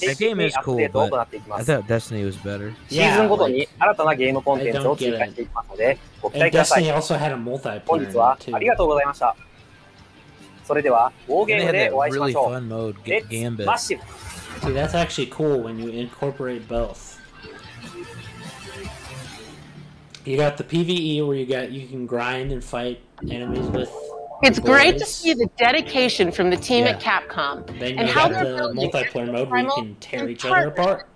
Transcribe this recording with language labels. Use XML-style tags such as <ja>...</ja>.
<en>That game is cool, but I thought Destiny was better.</en> <ja>シーズンごとに新たなゲームコンテンツを追加していきますので、ご期待ください。</ja> <en>Destiny also had a multiplayer too.</en> <ja>本日はありがとうございました。それでは、ウォーゲームでお会いしましょう。</ja> <en>Let's massive! See, that's actually cool when you incorporate both. You got the PvE where you can grind and fight enemies with It's boys. Great to see the dedication from the team at Capcom. Then you have the multiplayer mode where you can tear each other apart.</en>